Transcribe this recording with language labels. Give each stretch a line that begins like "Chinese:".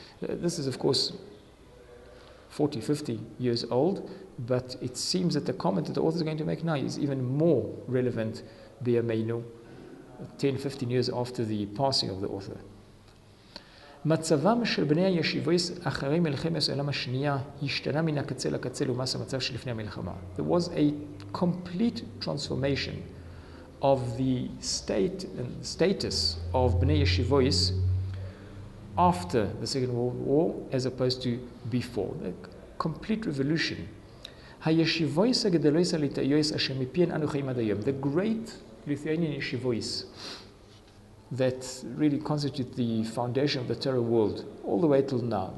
English: This is, of course, 40, 50 years old, but it seems that the comment that the author is going to make now is even more relevant, b'yameinu, 10, 15 years after the passing of the author.
Hebrew: מצבם של בני הישיבות אחרי מלחמת העולם השנייה השתנה מן הקצה לקצה לעומת המצב שלפני המלחמה.
English: There was a complete transformation of the state and status of בני ישיבות after the Second World War as opposed to before. A complete revolution.
Hebrew: הישיבות הגדולות הליטאיות אשר מפיהן אנו חיים עד היום.
English: The great Lithuanian ישיבות that really constitute the foundation of the Torah world, all the way till now.